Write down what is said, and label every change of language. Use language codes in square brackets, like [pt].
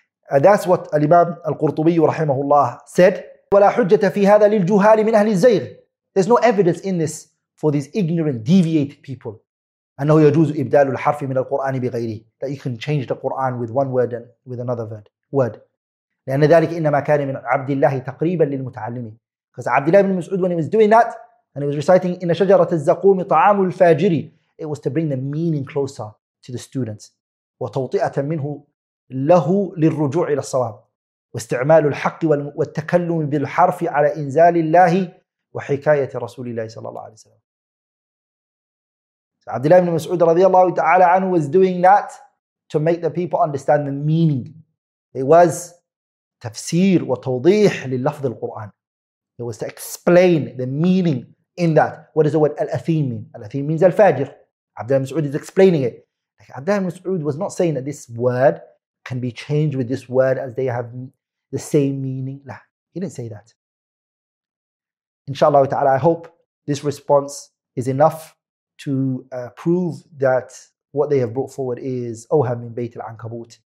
[en] And that's what Al-Imam Al-Qurtubi rahimahullah said. [ar] وَلَا حُجَّةَ فِي هَذَا لِلْجُهَالِ مِنْ أَهْلِ الزَّيْغِ. [en] There's no evidence in this for these ignorant, deviated people. [ar] أَنَّهُ يَجُوزُ إِبْدَالُ الْحَرْفِ مِنَ الْقُرْآنِ بِغَيْرِهِ. [en] That you can change the Qur'an with one word and with another word. [ar] لأن ذلك إنما كان من عبد الله تقريبا للمتعلمين. [en] Because Abdullah ibn Mas'ud, when he was doing that, and he was reciting [ar] إن شجرة الزقوم طعام الفاجري, [en] it was to bring the meaning closer to the students. [ar] وتوطئة منه له للرجوع إلى الصواب واستعمال الحق والتكلم بالحرف على إنزال الله وحكاية رسول الله صلى الله عليه وسلم. [en] So Abdullah ibn Mas'ud رضي الله تعالى عنه was doing that to make the people understand the meaning. It was [ar] تفسير وتوضيح للفظ القرآن. [en] It was to explain the meaning in that. What does the word al-athim mean? Al-athim means al-fajr. Abdullah ibn Mas'ud is explaining it. Like Abdullah ibn Mas'ud was not saying that this word can be changed with this word as they have the same meaning. Nah, he didn't say that. Inshallah ta'ala, I hope this response is enough to prove that what they have brought forward is [ar] Oham min Bayt al-Ankabut.